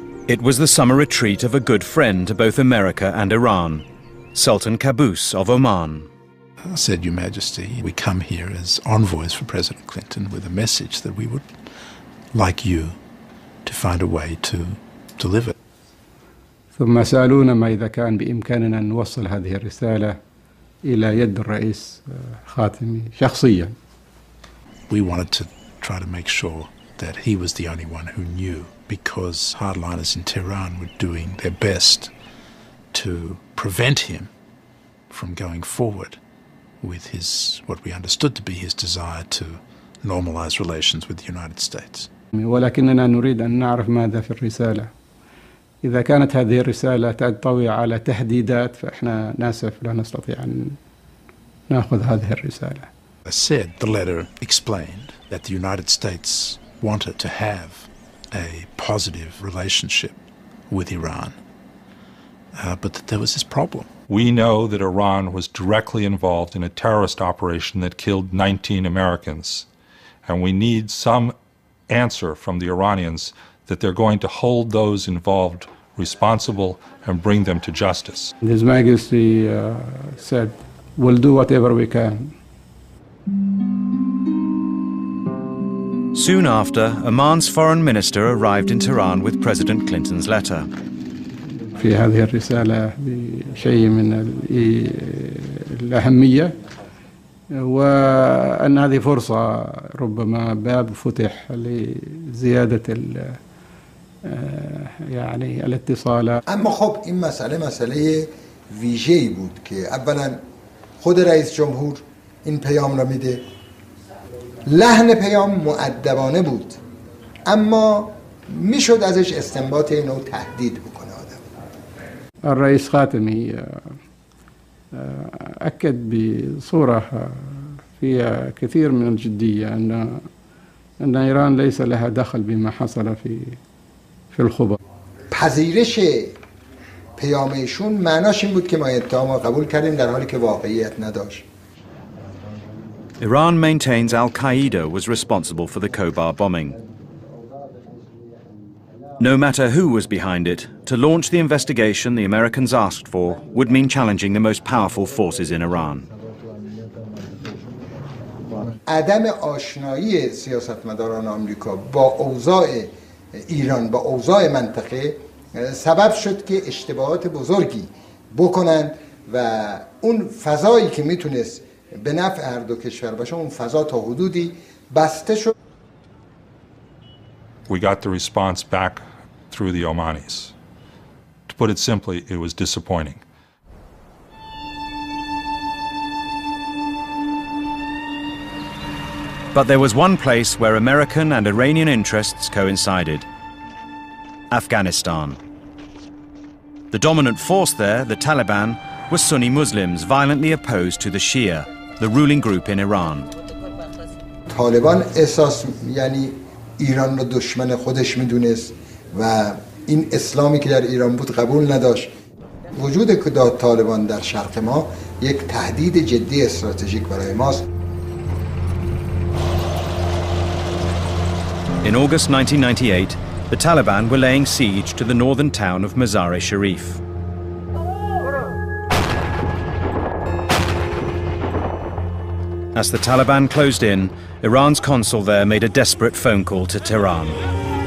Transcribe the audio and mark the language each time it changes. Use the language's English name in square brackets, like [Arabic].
[English] It was the summer retreat of a good friend to both America and Iran, Sultan Qaboos of Oman. I said, Your Majesty, we come here as envoys for President Clinton with a message that we would like you to find a way to deliver. [Arabic] ثم سألونا ما إذا كان بإمكاننا نوصل هذه الرسالة إلى يد الرئيس خاتمي شخصيا. [English] We wanted to try to make sure that he was the only one who knew, because hardliners in Tehran were doing their best to prevent him from going forward with his, what we understood to be his desire to normalize relations with the United States. [Arabic] ولكننا نريد أن نعرف ماذا في الرسالة. إذا كانت هذه الرسالة تنطوي على تهديدات فإحنا ناسف لا نستطيع أن نأخذ هذه الرسالة. [English] I said the letter explained that the United States wanted to have a positive relationship with Iran, but that there was this problem. We know that Iran was directly involved in a terrorist operation that killed 19 Americans, and we need some answer from the Iranians that they're going to hold those involved responsible and bring them to justice. His Majesty said, we'll do whatever we can. Soon after, Oman's foreign minister arrived in Tehran with President Clinton's letter. [Arabic] في هذه الرسالة بشيء من الأهمية وأن هذه فرصة ربما باب فتح لزيادة يعني الاتصالات. [Persian] اما خب این مسئله مسئله ویژه‌ای بود که اولا خود رئیس جمهور این پیام را میده. لحن پیام مؤدبانه بود اما میشد ازش استنباط اینو تهدید بکنه آدم. [Arabic] الرئیس خاتمی أكد بصورة فيها كثير من الجدية أن إيران ليس لها دخل بما حصل في الخبر. [Persian] پذیرش پیام ایشون معناش این بود که ما اتهام را قبول کردیم در حالی که واقعیت نداشت. [English] Iran maintains Al-Qaeda was responsible for the Khobar bombing. No matter who was behind it, to launch the investigation the Americans asked for would mean challenging the most powerful forces in Iran. [Persian] عدم آشنایی سیاستمداران آمریکا با اوضاع ایران با اوضاع منطقه سبب شد که اشتباهات بزرگی بکنند و اون فضایی که میتونست به نفع هر دو کشور باشه اون فضا تا حدودی بسته شد. [English] We got the response back through the Omanis. To put it simply, it was disappointing. But there was one place where American and Iranian interests coincided. Afghanistan. The dominant force there, the Taliban, was Sunni Muslims violently opposed to the Shia, the ruling group in Iran. [Persian] Taliban احساس یعنی ایران رو دشمن خودش میدونست و این اسلامی که در ایران بود قبول نداشت. وجود که طالبان در شرق ما یک تهدید جدی استراتژیک برای ماست. [English] In August 1998, the Taliban were laying siege to the northern town of Mazar-e-Sharif. As the Taliban closed in, Iran's consul there made a desperate phone call to Tehran.